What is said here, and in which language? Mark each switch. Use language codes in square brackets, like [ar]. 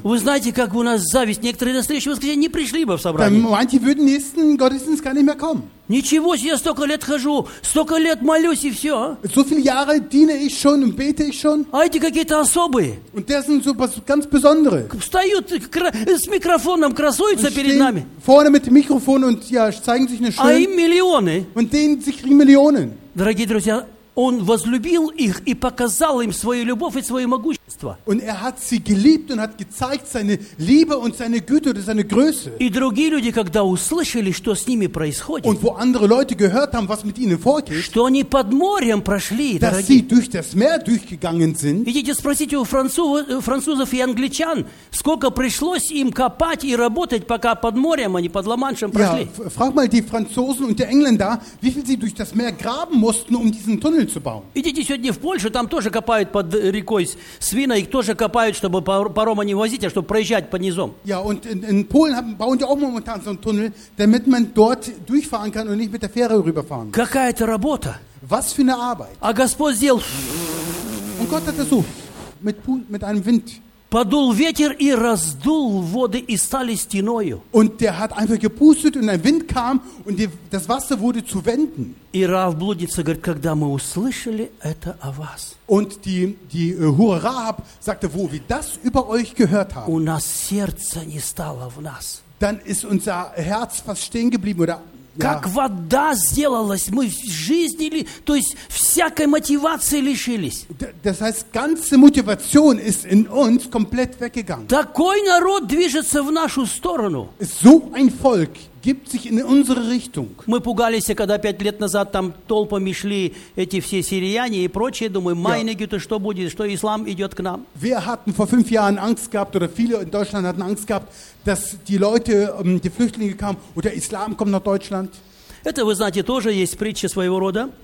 [ru] Вы знаете, как у нас зависть. Некоторые на следующий воскресенье не пришли бы в собрание. [de] Dann manche würden nächsten Gottesdienst gar nicht mehr kommen. [ru] Ничего себе, я столько лет хожу, столько лет молюсь и все. [de] So viele Jahre diene ich schon und bete ich schon. [ru] А эти какие-то особые. [de] Und das sind so was ganz Besondere. [ru] Встают с микрофоном, красуются [de] und [ru] перед нами. [de] Vorne mit dem Mikrofon und ja, zeigen sich eine schöne. [ru] А им миллионы. [de] Und denen, sie kriegen Millionen. [ru] Дорогие друзья, он возлюбил их и показал им свою любовь и свое могущество. [de] Und er hat sie geliebt und hat gezeigt seine Liebe und seine Güte und seine Größe. [ru] И другие люди, когда услышали, что с ними происходит, [de] und wo andere Leute gehört haben, was mit ihnen vorgeht, [ru] что они под морем прошли, [de] dass [ru] дорогие, [de] sie durch das Meer durchgegangen sind. [ru] Идите спросите у французов и англичан, сколько пришлось им копать и работать, пока под морем они под Ла-Маншем прошли. [de] Ja, frag mal die Franzosen und die Engländer, wie viel sie durch das Meer graben mussten, um diesen Tunnel. [ru] Идите сегодня в Польшу, там тоже копают под рекой свина, их тоже копают, чтобы парома не возить, а чтобы проезжать под низом. [de] Ja, und in Polen bauen die auch momentan so einen Tunnel, damit man dort durchfahren kann und nicht mit der Fähre rüberfahren. [ru] Какая-то работа. [de] Was für eine Arbeit. [ru] А Господь сделал... [de] Und Gott hat das so, mit einem Wind. [ru] Подул ветер и раздул воды и стали стеною. [de] Und der hat einfach gepustet und ein Wind kam und das Wasser wurde zu Wänden. [ru] И Рав-блудница говорит, когда мы услышали это о вас. [de] Und die Hure Rahab sagte, wo wir das über euch gehört haben. [ru] У нас сердце не стало в нас. [de] Dann ist unser Herz fast stehen geblieben oder [ru] как вода сделалась, мы жизнили, то есть всякой мотивации лишились. [de] Das heißt, ganze Motivation ist in uns komplett weggegangen. [ru] Такой народ движется в нашу сторону. [de] So ein Volk gibt sich in unsere Richtung. [ru] Мы пугались, когда 5 лет назад там толпами шли эти все сирияне и прочие, думаю, [de] meine Güte, [ru] что будет, что ислам идет к нам. [de] Wir hatten vor 5 Jahren Angst gehabt, oder viele in Deutschland hatten Angst gehabt, dass die Leute, die Flüchtlinge kamen, oder Islam kommt nach Deutschland. [ru] Это, вы знаете, тоже есть притча своего рода.